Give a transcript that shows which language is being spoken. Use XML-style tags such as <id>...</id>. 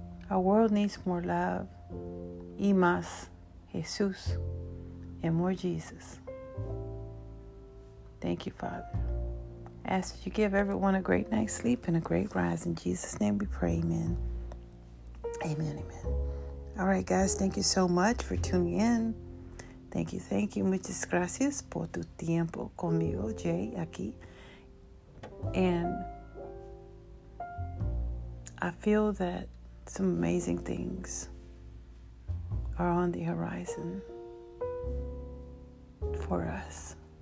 <en>Our world needs more love.</en> <es>Y más Jesús</es> <en>and more Jesus. Thank you, Father. Ask that you give everyone a great night's sleep and a great rise. In Jesus' name we pray, amen. Amen, amen. All right, guys, thank you so much for tuning in. Thank you, thank you.</en> <es>Muchas gracias por tu tiempo conmigo, Jay, aquí.</es> <en>And I feel that some amazing things are on the horizon for us.</en>